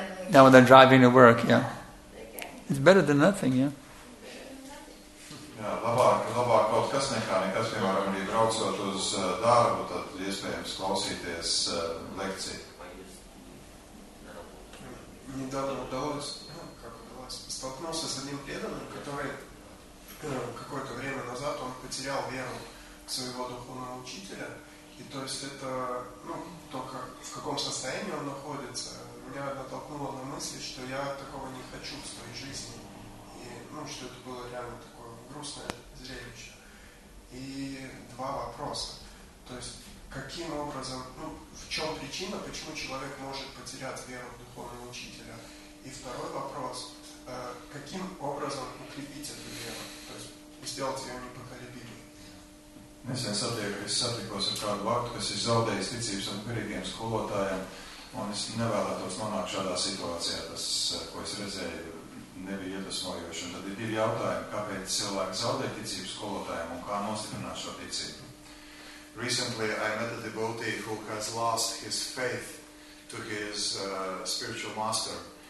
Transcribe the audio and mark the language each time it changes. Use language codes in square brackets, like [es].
[en] Now when they're driving to work, yeah. It's better than nothing, yeah. [lv] Labāk kaut kas nekā nekas, piemēram, arī braucot uz darbu, tad iespējams klausīties lekciju. [ru] Мне давно удалось, столкнулся с одним преданным, который какое-то время назад он потерял веру своего духовного учителя, и то есть это, ну, только в каком состоянии он находится. Меня натолкнуло на мысли, что я такого не хочу в своей жизни. И, ну, что это было реально такое грустное зрелище. И два вопроса. То есть, каким образом, ну, в чем причина, почему человек может потерять веру в духовного учителя? И второй вопрос. Каким образом укрепить эту веру? То есть, сделать ее непоколебимой? Если я сотрекусь в каком-то факте, если золотая инвестиция в санкурегием с холотаем, [lv] Un es nevēlētos nonākt šādā situācijā, tas, ko es redzēju, nebija iedvesmojoši. Un tad ir divi jautājumi, kāpēc cilvēki zaudē ticību skolotājiem un kā nostiprināt šo ticību. [en] Recently I met a devotee who has lost his faith to his spiritual master.